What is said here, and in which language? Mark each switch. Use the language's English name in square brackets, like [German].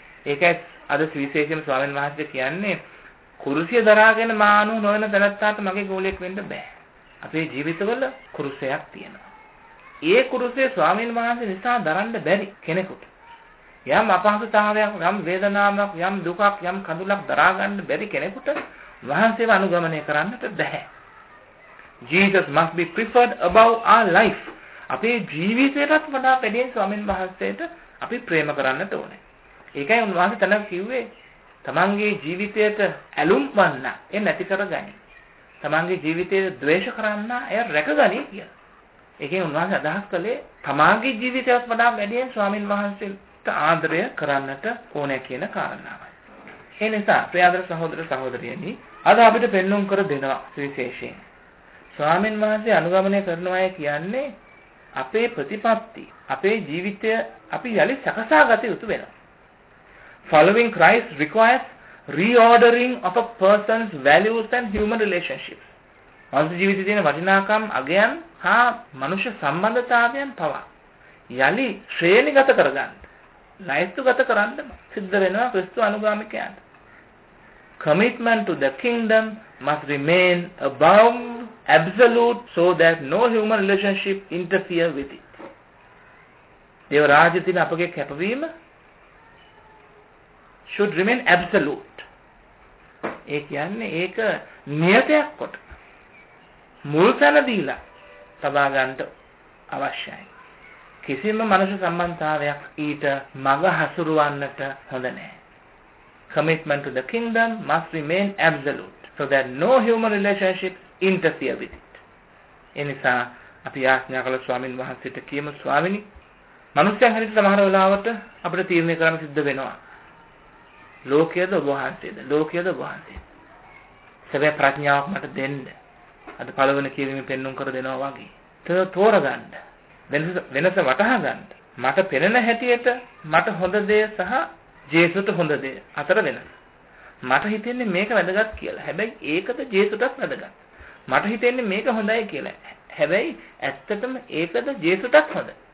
[Sinhala] ඒකයි අද සුවිශේෂයෙන් ස්වාමින් වහන්සේ කියන්නේ කුරුසිය දරාගෙන මානු නොවන තැනැත්තාට මගේ ගෝලයක් වෙන්න බෑ. අපේ ජීවිතවල කුරුසයක් තියෙනවා. ඒ කුරුසය ස්වාමීන් වහන්සේ නිසා දරන්න බැරි කෙනෙකුට යම් අපහසුතාවයක් යම් වේදනාවක් යම් දුකක් යම් කඳුලක් දරාගන්න බැරි කෙනෙකුට වහන්සේව අනුගමනය කරන්නට බෑ. [English] Jesus must be preferred above our life. [Sinhala] අපේ ජීවිතයටත් වඩා වැඩියෙන් ස්වාමීන් වහන්සේට අපි ප්‍රේම කරන්නට ඕනේ. ඒකයි උන්වහන්සේ තන කිව්වේ තමන්ගේ ජීවිතයට ඇලුම් වන්න එ නැති කරගනි. තමන්ගේ ජීවිතයට ද්වේෂ කරන්න එය රැකගනි කියලා. ඒකෙන් උන්වහන්සේ අදහස් කළේ තමන්ගේ ජීවිතයත් වඩා වැඩියෙන් ස්වාමින් වහන්සේට ආදරය කරන්නට ඕනේ කියන කාරණාවයි. ඒ නිසා ප්‍රියදර සහෝදර සහෝදරියනි අද අපිට පෙන්නුම් කර දෙනවා සුවිශේෂයෙන්. ස්වාමින් වහන්සේ අනුගමනය කරන අය කියන්නේ අපේ ප්‍රතිපත්ති අපේ ජීවිතය අපි යළි සකසා ගත යුතු වෙනවා. [English] Following Christ requires reordering of a person's values and human relationships. [Sinhala] මානව ජීවිතයේ වටිනාකම් අගයන් හා මනුෂ්‍ය සම්බන්ධතාවයන් පවා යලි ශ්‍රේණිගත කරගන්න ලයිස්තුගත කරන්න සිද්ධ වෙනවා ක්‍රිස්තු අනුගාමිකයන්ට. [English] Commitment to the kingdom must remain above absolute so that no human relationship interfere with it. [Sinhala] දේව රාජ්‍ය තුළ අපගේ කැපවීම [English] should remain absolute. [Sinhala] ඒ කියන්නේ ඒක නියතයක් කොට මුල් තැන දීලා තබා ගන්න අවශ්‍යයි. කිසිම මනුෂ්‍ය සම්බන්ධතාවයක් ඊට මඟ හසුරවන්නට හොඳ නැහැ. [English] Commitment to the kingdom must remain absolute so that no human relationship interfere with it. [Sinhala] එනිසා අපි ආඥා කළ ස්වාමින් වහන්සේට කියමු ස්වාමිනි මනුෂ්‍යයන් හැටියට සමහර වෙලාවට අපිට තීරණය කරන්න සිද්ධ වෙනවා. ලෝකයේද වහන්සේද ලෝකයේද වහන්සේද සැබෑ ප්‍රඥාවක් මට දෙන්න අද පළවෙනි කීරීමේ පෙන්නුම් කර දෙනවා වගේ තෝරගන්න වෙනස වටහා ගන්න මට පෙනෙන හැටියට මට හොඳ දේ සහ ජේසුට හොඳ දේ අතර වෙනස මට හිතෙන්නේ මේක වැදගත් කියලා හැබැයි ඒකද ජේසුටත් වැදගත් මට හිතෙන්නේ මේක හොඳයි කියලා හැබැයි ඇත්තටම ඒකද ජේසුටත් හොඳ